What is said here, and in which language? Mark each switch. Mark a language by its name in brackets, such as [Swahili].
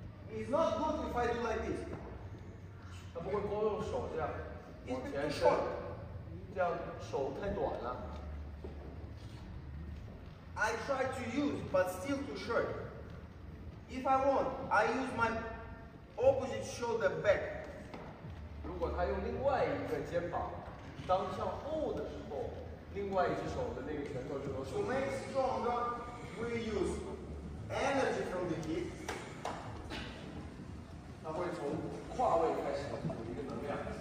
[English] he's not going to fight you like this. [Chinese] 他不会光用手这样往前伸，这样手太短了。 [English] I try to use, but still too short. If I want, I use my opposite shoulder back. [Chinese] 如果他用另外一个肩膀当向后的时候，另外一只手的那个拳头就能 [English] 收。To make stronger, we use energy from the hip. [Chinese] 他会从胯位开始补一个能量。